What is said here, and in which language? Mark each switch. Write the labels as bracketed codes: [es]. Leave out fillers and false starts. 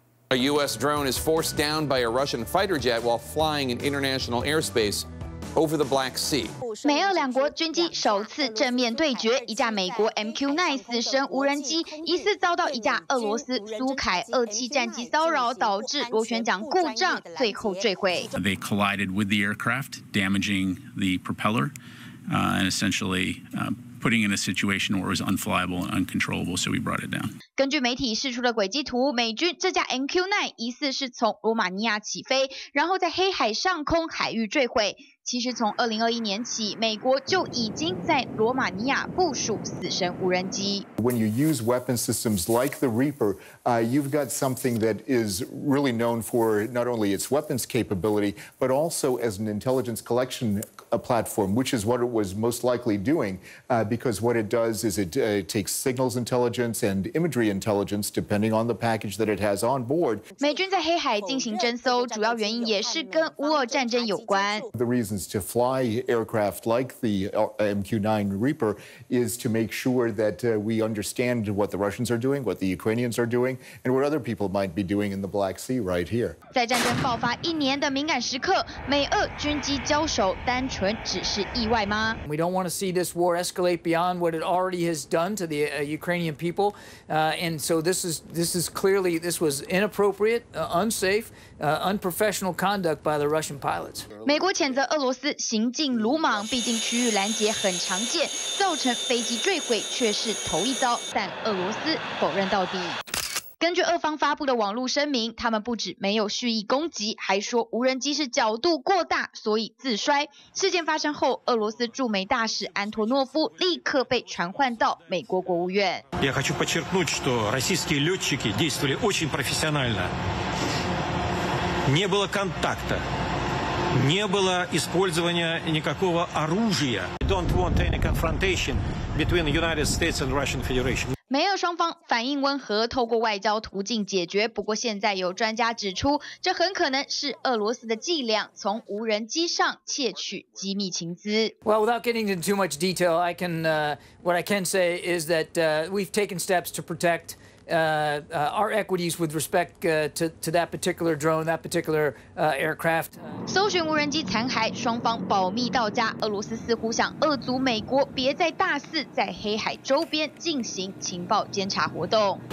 [en] A U.S. drone is forced down by a Russian fighter jet while flying in international airspace. Over the Black Sea. [zh] 美俄两国军机首次正面对决，一架美国 MQ-9 死神无人机疑似遭到一架俄罗斯苏凯27战机骚扰，导致螺旋桨故障，最后坠毁。 [en] They collided with the aircraft, damaging the propeller, and essentially, putting in a situation where it was unflyable and uncontrollable, so we brought it down. [zh] 根据媒体释出的轨迹图，美军这架 MQ-9 疑似是从罗马尼亚起飞，然后在黑海上空海域坠毁。其实从2021年起，美国就已经在罗马尼亚部署死神无人机。 [en] When you use weapon systems like the Reaper, you've got something that is really known for not only its weapons capability, but also as an intelligence collection platform, which is what it was most likely doing, because what it does is it takes signals intelligence and imagery intelligence, depending on the package that it has on board. [zh] 美军在黑海进行侦搜，主要原因也是跟乌俄战争有关。 [en] The reason. To fly aircraft like the MQ-9 Reaper is to make sure that we understand what the Russians are doing, what the Ukrainians are doing, and what other people might be doing in the Black Sea right here. [zh] 在战争爆发一年的敏感时刻，美俄军机交手单纯只是意外吗？ [en] We don't want to see this war escalate beyond what it already has done to the Ukrainian people, and so this is clearly this was inappropriate, unsafe. Unprofessional conduct by the Russian pilots. [zh] 美国谴责俄罗斯行径鲁莽，毕竟区域拦截很常见，造成飞机坠毁却是头一遭。但俄罗斯否认到底。根据俄方发布的网络声明，他们不止没有蓄意攻击，还说无人机是角度过大，所以自摔。事件发生后，俄罗斯驻美大使安托诺夫立刻被传唤到美国国务院。 [ru] Я хочу подчеркнуть, что российские летчики действовали очень профессионально. Не было контакта, не было использования никакого оружия. [en] We don't want any confrontation between the United States and Russian Federation. [zh] 美俄双方反应温和，透过外交途径解决。不过现在有专家指出，这很可能是俄罗斯的伎俩，从无人机上窃取机密情资。 [en] Well, without getting into too much detail, I can, what I can say is that, we've taken steps to protect. Our equities with respect to that particular drone, that particular aircraft. [zh] 搜寻无人机残骸，双方保密到家。俄罗斯似乎想遏阻美国，别再大肆在黑海周边进行情报监察活动。